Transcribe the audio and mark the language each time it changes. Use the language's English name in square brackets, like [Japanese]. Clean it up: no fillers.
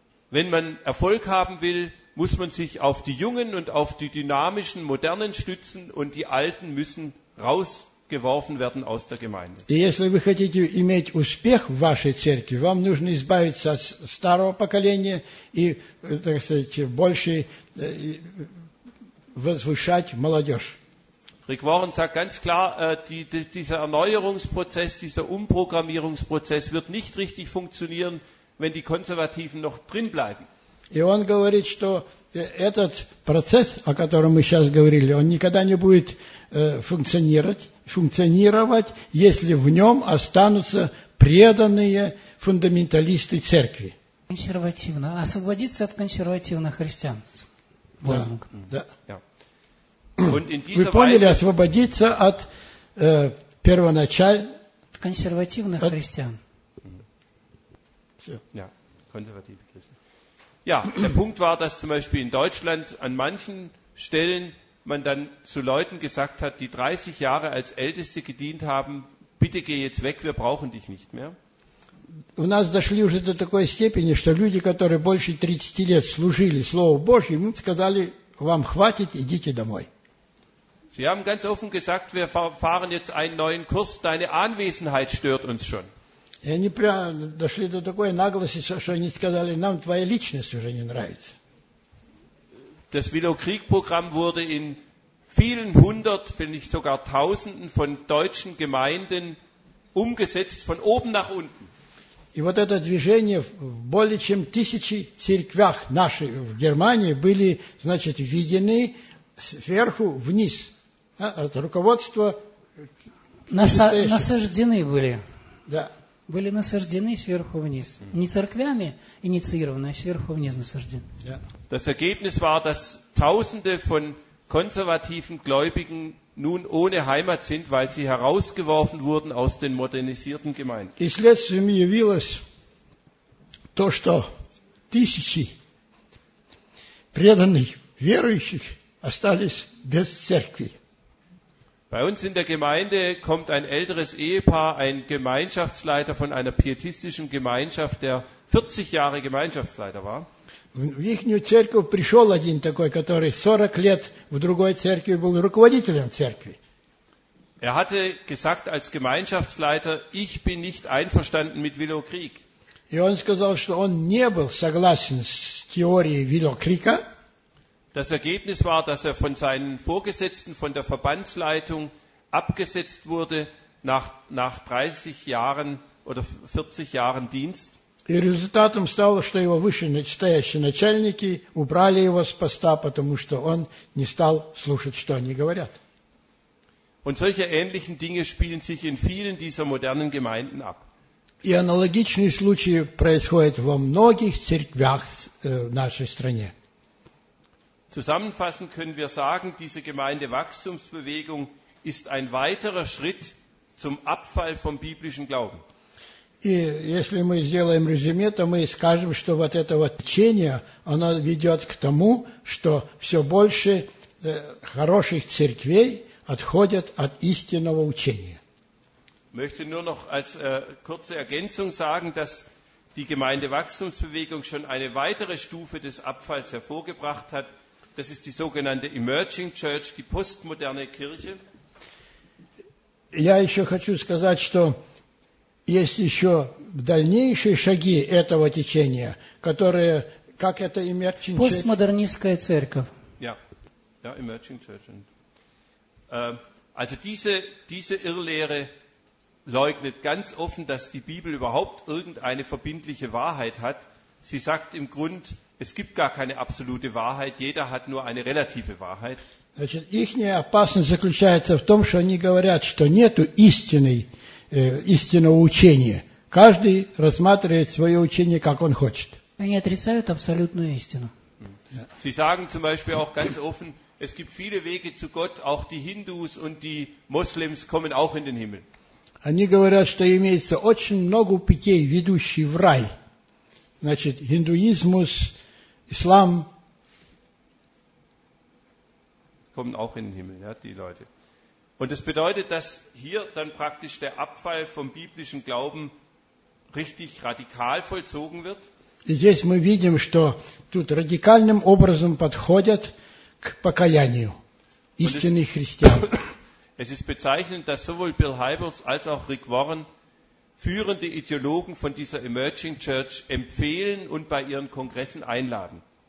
[German] Wenn man Erfolg haben will, muss man sich auf die Jungen und auf die dynamischen, modernen stützen und die Alten müssen rausgeworfen werden aus der Gemeinde. [Russian] И если вы хотите иметь успех в вашей церкви, вам нужно избавиться от старого поколения и, так сказать, больше возвышать молодежь. [German] Rick Warren sagt ganz klar, dieser Erneuerungsprozess, dieser Umprogrammierungsprozess wird nicht richtig funktionieren, wenn die Konservativen noch drin bleiben. [Russian] Он говорит, что этот процесс, о котором мы сейчас говорили, он никогда не будет функционировать, если в нем останутся преданные фундаменталисты церкви. Консервативно. Освободиться от консервативных христиан. Да. Вы поняли, освободиться от первоначально консервативных христиан. [German] Ja, konservative Christen. Ja, der Punkt war, dass zum Beispiel in Deutschland an manchen Stellen man dann zu Leuten gesagt hat, die 30 Jahre als Älteste gedient haben, bitte geh jetzt weg, wir brauchen dich nicht mehr. [Russian] У нас дошли уже до такой степени, что люди, которые больше 30 лет служили Слову Божьему, сказали, вам хватит, идите домой. [German] Sie haben ganz offen gesagt, wir fahren jetzt einen neuen Kurs, deine Anwesenheit stört uns schon. Das Willow-Krieg-Programm wurde in vielen hundert, wenn nicht sogar tausenden von deutschen Gemeinden umgesetzt, von oben nach unten. [Russian] И вот это движение в более чем тысячи церквях нашей в Германии были, значит, введены сверху вниз. От руководства насаждены были. Да. Были насаждены сверху вниз. Не церквями инициированы, а сверху вниз насаждены. Да. [German] Das Ergebnis war, dass Tausende von konservativen Gläubigen nun ohne Heimat sind, weil sie herausgeworfen wurden aus den modernisierten Gemeinden. [Russian] И следствием явилось то, что тысячи преданных верующих остались без церкви. [German] Bei uns in der Gemeinde kommt ein älteres Ehepaar, ein Gemeinschaftsleiter von einer pietistischen Gemeinschaft, der 40 Jahre Gemeinschaftsleiter war. [Russian] В ихнюю церковь пришел один такой, который 40 лет в другой церкви был руководителем церкви. [German] Er hatte gesagt als Gemeinschaftsleiter, ich bin nicht einverstanden mit Willow Creek. [Russian] И он сказал, что он не был согласен с теорией Willow Creek'а. [German] Das Ergebnis war, dass er von seinen Vorgesetzten, von der Verbandsleitung abgesetzt wurde nach 30 Jahren oder 40 Jahren Dienst. [Russian] И результатом стало, что его вышестоящие начальники убрали его с поста, потому что он не стал слушать, что они говорят. [German] Und solche ähnlichen Dinge spielen sich in vielen dieser modernen Gemeinden ab. [Russian] И аналогичные случаи происходят во многих церквях в нашей стране. [German] Zusammenfassend können wir sagen, diese Gemeindewachstumsbewegung ist ein weiterer Schritt zum Abfall vom biblischen Glauben. [Russian] И если мы сделаем резюме, то мы скажем, что вот это вот течение, оно ведет к тому, что все больше хороших церквей отходят от истинного учения. [German] Möchte nur noch als kurze Ergänzung sagen, dass die Gemeindewachstumsbewegung schon eine weitere Stufe des Abfalls hervorgebracht hat. Das ist die sogenannte Emerging Church, die postmoderne Kirche. [Russian] Я еще хочу сказать, что есть еще дальнейшие шаги этого течения, которые, как это Emerging Church? Постмодернистская церковь. [German] Ja, ja, Emerging Church. Also diese Irrlehre leugnet ganz offen, dass die Bibel überhaupt irgendeine verbindliche Wahrheit hat. Sie sagt im Grund, es gibt gar keine absolute Wahrheit, jeder hat nur eine relative Wahrheit. [Russian] Значит, ихняя опасность заключается в том, что они говорят, что нету истинного учения. Каждый рассматривает свое учение, как он хочет. Они отрицают абсолютную истину. Sie sagen zum Beispiel auch ganz offen, es gibt viele Wege zu Gott, auch die Hindus und die Muslims kommen auch in den Himmel. Они говорят, что имеется очень много путей, ведущих в рай. Значит, индуизмус, ислам. [German] Kommen auch in den Himmel, ja, die Leute. Und das bedeutet, dass hier dann praktisch der Abfall vom biblischen Glauben richtig radikal vollzogen wird. [Russian] И здесь мы видим, что тут радикальным образом подходят к покаянию истинных христиан. [German] Es ist bezeichnend, dass sowohl Bill Hybels als auch Rick Warren führende Ideologen von dieser Emerging Church empfehlen und bei ihren Kongressen einladen.